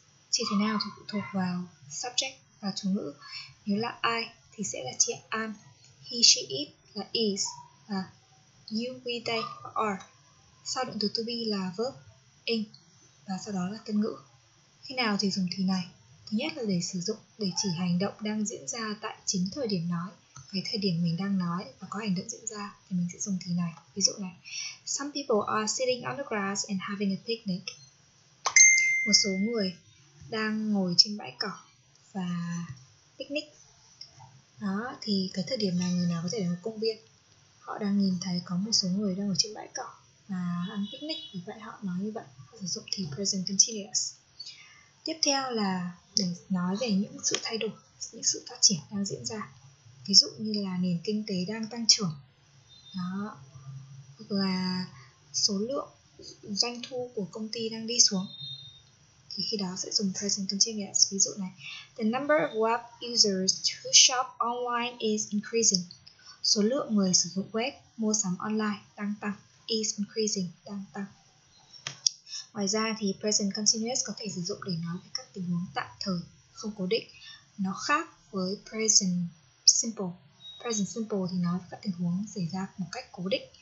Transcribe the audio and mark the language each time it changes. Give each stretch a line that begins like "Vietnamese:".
Vietnamese: Chia thế nào thì phụ thuộc vào subject và chủ ngữ. Nếu là I thì sẽ là chia am, he, she, it là is, và you, we, they là are. Sau động từ to be là verb in và sau đó là tân ngữ. Khi nào thì dùng thì này? Thứ nhất là để sử dụng để chỉ hành động đang diễn ra tại chính thời điểm nói, cái thời điểm mình đang nói và có hành động diễn ra thì mình sẽ dùng thì này. Ví dụ này:
English: Some people are sitting on the grass and having a picnic.
Vietnamese: Một số người đang ngồi trên bãi cỏ và picnic. Đó, thì cái thời điểm này người nào có thể đến công viên. Họ đang nhìn thấy có một số người đang ngồi trên bãi cỏ và ăn picnic, vì vậy họ nói như vậy. Họ sử dụng thì present continuous. Tiếp theo là để nói về những sự thay đổi, những sự phát triển đang diễn ra. Ví dụ như là nền kinh tế đang tăng trưởng. Đó. Hoặc là số lượng doanh thu của công ty đang đi xuống. Thì khi đó sẽ dùng present continuous. Ví dụ này:
English: The number of web users who shop online is increasing.
Vietnamese: Số lượng người sử dụng web mua sắm online đang tăng.
English: Is increasing,
Vietnamese: đang tăng. Ngoài ra thì present continuous có thể sử dụng để nói về các tình huống tạm thời, không cố định. Nó khác với present simple. Present simple thì nói về các tình huống xảy ra một cách cố định.